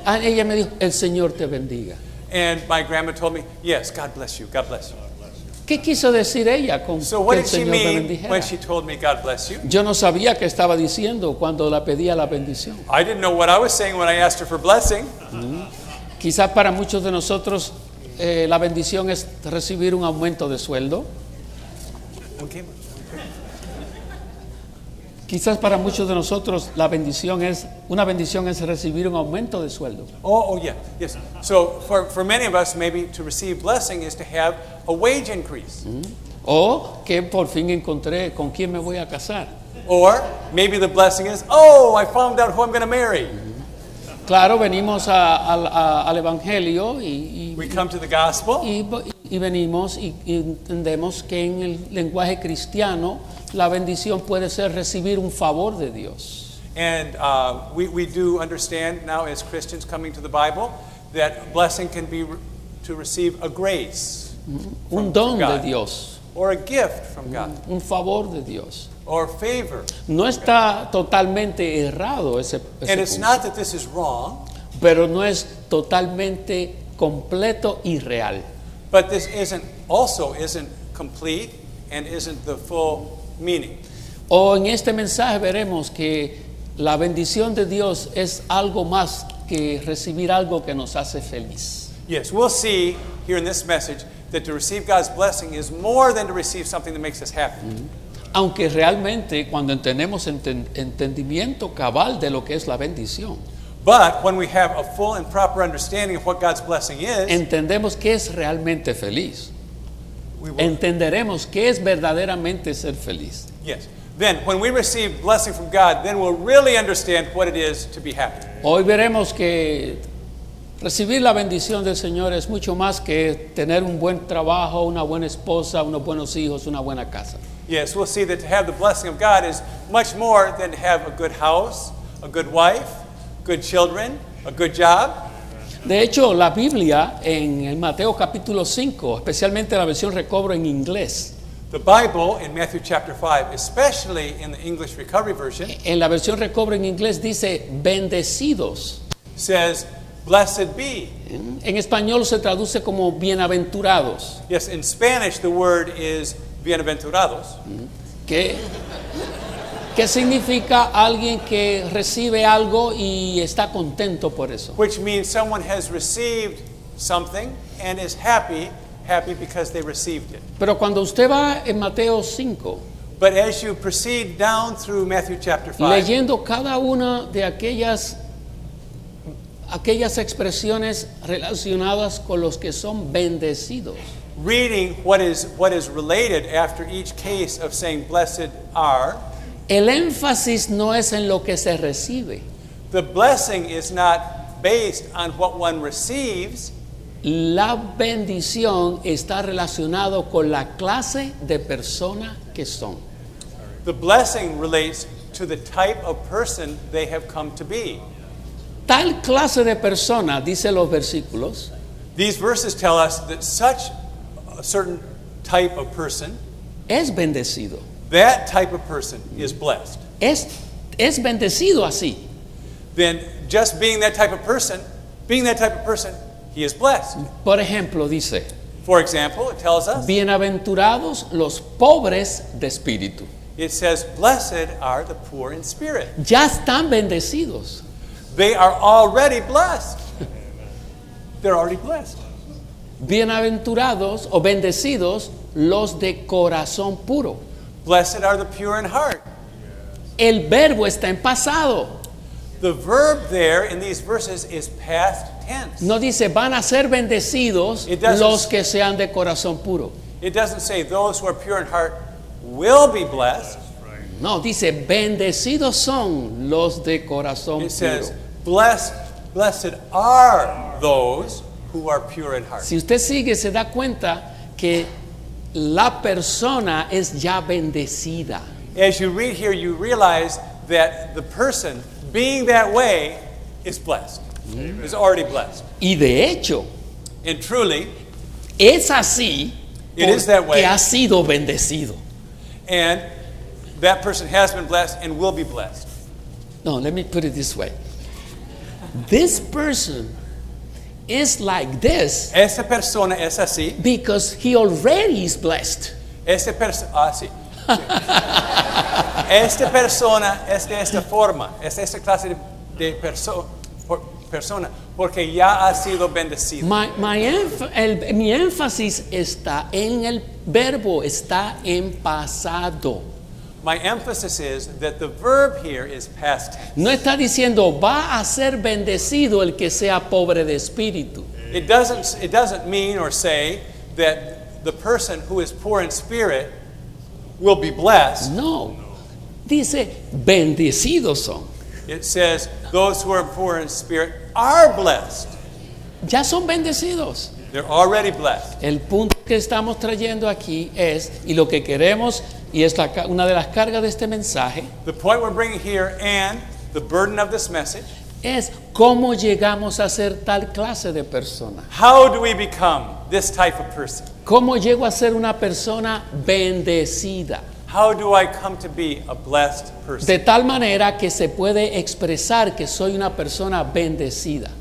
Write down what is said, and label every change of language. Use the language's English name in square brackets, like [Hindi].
[Spanish] Y ella me dijo, el Señor te bendiga. [English] And my grandma told me, yes, God bless you, God bless you. [Spanish] ¿Qué quiso decir ella con [English] so what [Spanish] que [English] did [Spanish] el [English] she mean when she told me, God bless you? [Spanish] Yo no sabía qué estaba diciendo cuando la pedía la bendición. [English] I didn't know what I was saying when I asked her for blessing. [Spanish] Quizás para muchos de nosotros la bendición es recibir un aumento de sueldo. Quizás para muchos de nosotros la bendición es una bendición es recibir un aumento de sueldo. [English] Oh yeah, yes. So for many of us maybe to receive blessing is to have a wage increase. Mm-hmm. [Spanish] O que por fin encontré con quién me voy a casar. [English] Or maybe the blessing is, oh, I found out who I'm going to marry. [Spanish] Claro, venimos al evangelio y [English] we come to the gospel. [Spanish] Y venimos y entendemos que en el lenguaje cristiano la bendición puede ser recibir un favor de Dios. [English] And we do understand now as Christians coming to the Bible that blessing can be to receive a grace. [Spanish] Un don de Dios. [English] Or a gift from God. [Spanish] Un favor de Dios. [English] Or favor. [Spanish] No está totalmente errado ese punto. [English] And it's not that this is wrong. [Spanish] Pero no es totalmente completo y real. [English] But this isn't complete and isn't the full meaning. [Spanish] O en este mensaje veremos que la bendición de Dios es algo más que recibir algo que nos hace feliz. [English] Yes, we'll see here in this message that to receive God's blessing is more than to receive something that makes us happy. Mm-hmm. [Spanish] Aunque realmente cuando tenemos entendimiento cabal de lo que es la bendición. [English] But when we have a full and proper understanding of what God's blessing is, [Spanish] entendemos que es realmente feliz. Entenderemos qué es verdaderamente ser feliz. [English] Yes. Then, when we receive blessing from God, then we'll really understand what it is to be happy. [Spanish] Hoy veremos que recibir la bendición del Señor es mucho más que tener un buen trabajo, una buena esposa, unos buenos hijos, una buena casa. [English] Yes, we'll see that to have the blessing of God is much more than to have a good house, a good wife, good children, A good job. [Spanish] De hecho, la Biblia en el Mateo capítulo 5, especialmente la versión Recobro en inglés. [English] The Bible in Matthew chapter 5, especially in the English Recovery version. [Spanish] En la versión Recobro en inglés dice bendecidos. [English] Says blessed be. [Spanish] En español se traduce como bienaventurados. [English] Yes, in Spanish the word is bienaventurados. [Spanish] ¿Qué? ¿Qué significa alguien que recibe algo y está contento por eso? [English] Which means someone has received something and is happy, happy because they received it. [Spanish] Pero cuando usted va en Mateo 5, [English] but as you proceed down through Matthew chapter 5, [Spanish] leyendo cada una de aquellas expresiones relacionadas con los que son bendecidos. [English] Reading what is related after each case of saying blessed are. [Spanish] El énfasis no es en lo que se recibe. [English] The blessing is not based on what one receives. [Spanish] La bendición está relacionado con la clase de persona que son. [English] The blessing relates to the type of person they have come to be. [Spanish] Tal clase de persona, dice los versículos. [English] These verses tell us that such a certain type of person [Spanish] es bendecido. [English] That type of person is blessed. [Spanish] Es bendecido así. [English] Then just being that type of person, he is blessed. [Spanish] Por ejemplo, dice. [English] For example, it tells us. [Spanish] Bienaventurados los pobres de espíritu. [English] It says, blessed are the poor in spirit. [Spanish] Ya están bendecidos. [English] They are already blessed. They're already blessed. [Spanish] Bienaventurados o bendecidos los de corazón puro. [English] Blessed are the pure in heart. [Spanish] El verbo está en pasado. [English] The verb there in these verses is past tense. [Spanish] No dice van a ser bendecidos los que sean de corazón puro. [English] It doesn't say those who are pure in heart will be blessed. [Spanish] No, dice bendecidos son los de corazón puro. [English] It says blessed are those who are pure in heart. [Spanish] Si usted sigue, se da cuenta que la persona es ya bendecida. [English] As you read here, you realize that the person being that way is blessed. Amen. Is already blessed. [Spanish] Y de hecho, [English] and truly, [Spanish] es así. [English] It is that way. [Spanish] Ha sido bendecido. [English] And that person has been blessed and will be blessed. No, let me put it this way. This person is like this. [Spanish] Esa persona es así. [English] Because he already is blessed. [Spanish] Esta persona, sí. Esta persona es de esta forma. Es esta clase de persona. Porque ya ha sido bendecido. Mi énfasis está en el verbo. Está en pasado. [English] My emphasis is that the verb here is past tense. [Spanish] No está diciendo va a ser bendecido el que sea pobre de espíritu. [English] It doesn't mean or say that the person who is poor in spirit will be blessed. [Spanish] No. Dice bendecidos son. [English] It says those who are poor in spirit are blessed. [Spanish] Ya son bendecidos. [English] They're already blessed. [Spanish] El punto que estamos trayendo aquí es y lo que queremos y es una de las cargas de este mensaje. [English] The point we're bringing here and the burden of this message [Spanish] es cómo llegamos a ser tal clase de persona. [English] How do we become this type of person? [Spanish] ¿Cómo llego a ser una persona bendecida? [English] How do I come to be a blessed person? [Spanish] De tal manera que se puede expresar que soy una persona bendecida.